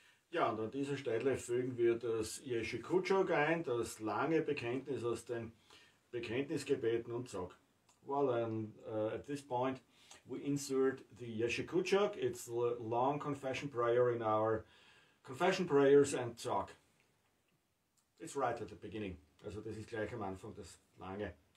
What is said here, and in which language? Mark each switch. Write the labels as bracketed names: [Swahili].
[German] Ja, und an dieser Stelle fügen wir das Yeshe Kutschok ein, das lange Bekenntnis aus den Bekenntnisgebeten und Zog. [English] Well, at this point we insert the Yeshe Kutschok. It's the long confession prayer in our confession prayers and Zog. It's right at the beginning. [German] Also das ist gleich am Anfang, das lange.